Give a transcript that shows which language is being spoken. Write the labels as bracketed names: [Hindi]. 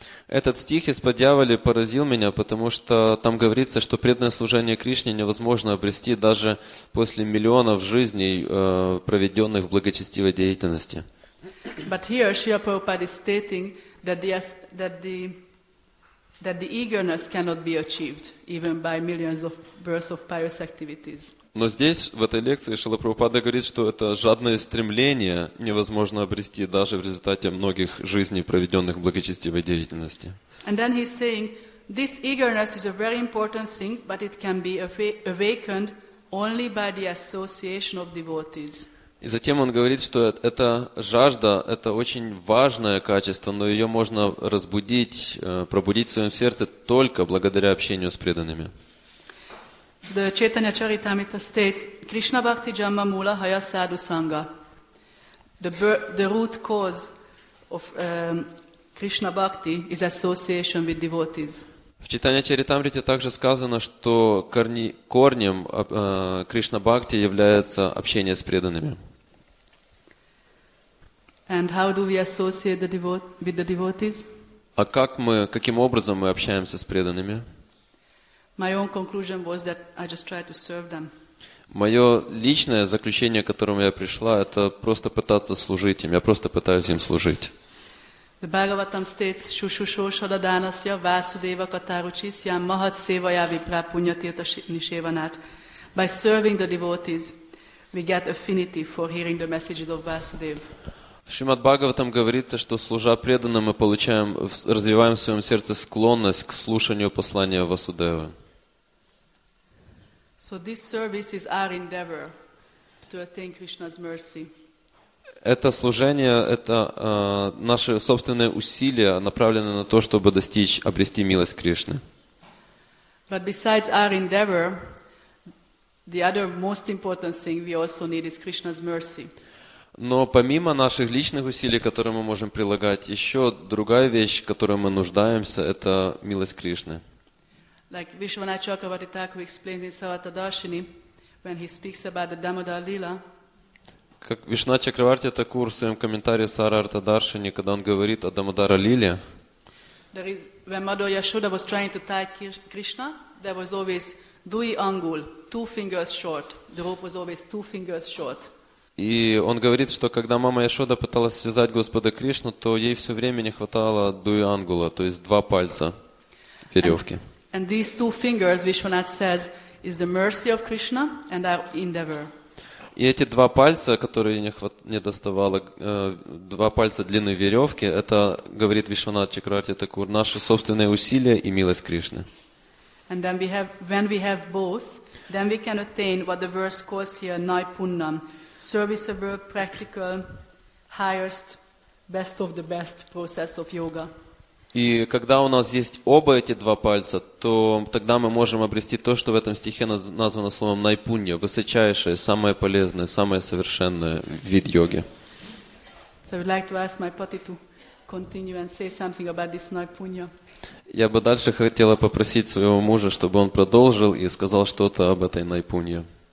[Russian] Этот стих из Падьявали поразил меня, потому что там говорится, что преданное служение Кришне невозможно обрести даже после миллионов жизней, проведенных в благочестивой деятельности. [English] But here Srila Prabhupada is stating that the eagerness cannot be achieved even by millions of births of pious activities. [Russian] Но здесь, в этой лекции, Шрила Прабхупада говорит, что это жадное стремление невозможно обрести даже в результате многих жизней, проведенных в благочестивой деятельности. [English] And then he's saying, this eagerness is a very important thing, but it can be awakened only by the association of devotees. [Russian] И затем он говорит, что эта жажда – это очень важное качество, но ее можно разбудить, пробудить в своем сердце только благодаря общению с преданными. [English] The Chaitanya Charitamrita states, [Sanskrit] Krishna Bhakti Jamma Mula Haya Sadhu Sangha. [English] The root cause of Krishna Bhakti is association with devotees. [Russian] В Chaitanya Charitamrita также сказано, что корнем Krishna Bhakti является общение с преданными. [English] And how do we associate with the devotees? [Russian] А каким образом мы общаемся с преданными? [English] My own conclusion was that I just try to serve them. [Russian] Моё личное заключение, к которому я пришла, это просто пытаться служить им. Я просто пытаюсь им служить. [English] The Bhagavatam states, [Sanskrit] Shushushoshaladanasya Vasudeva Katarucisyam Mahat Sevaya Viprapunyatirta Nishevanat. [English] By serving the devotees, we get affinity for hearing the messages of Vasudeva. [Russian] В Шримад Бхагаватам говорится, что служа преданным, мы получаем, развиваем в своем сердце склонность к слушанию послания Васудевы. [English] So this service is our endeavor to attain Krishna's mercy. [Russian] Это служение, это наши собственные усилия, направленные на то, чтобы достичь, обрести милость Кришны. [English] But besides our endeavor, the other most important thing we also need is Krishna's mercy. [Russian] Но помимо наших личных усилий, которые мы можем прилагать, еще другая вещь, в которой мы нуждаемся, это милость Кришны. [English] Like Vishwanath Chakravarti Thakur explains in Savata Darshini, when he speaks about the Damodar Lila. [Russian] Как Вишванат Чакраварти Такур в своем комментарии Сарарта Даршини, когда он говорит о Дамодара Лиле. [English] There is, when Mother Yashoda was trying to tie Krishna, there was always dui angul, two fingers short. The rope was always two fingers short. [Russian] И он говорит, что когда мама Яшода пыталась связать Господа Кришну, то ей все время не хватало дуи ангула, то есть два пальца веревки. [English] And these two fingers, Vishwanath says, is the mercy of Krishna and our endeavor. [Russian] И эти два пальца, которые не доставало, два пальца длины веревки, это, говорит Вишванат Чакраварти Такур, наши собственные усилия и милость Кришны. [English] And then when we have both, then we can attain what the verse calls here naipunnam. Serviceable, practical, highest, best of the best process of yoga. [Russian] И когда у нас есть оба эти два пальца, то тогда мы можем обрести то, что в этом стихе названо словом найпунья, высочайшее, самое полезное, самое совершенное вид йоги. [English] So I would like to ask my pati to continue and say something about this найпунья. [Russian] Я бы дальше хотела попросить своего мужа, чтобы он продолжил и сказал что-то об этой Найпунье.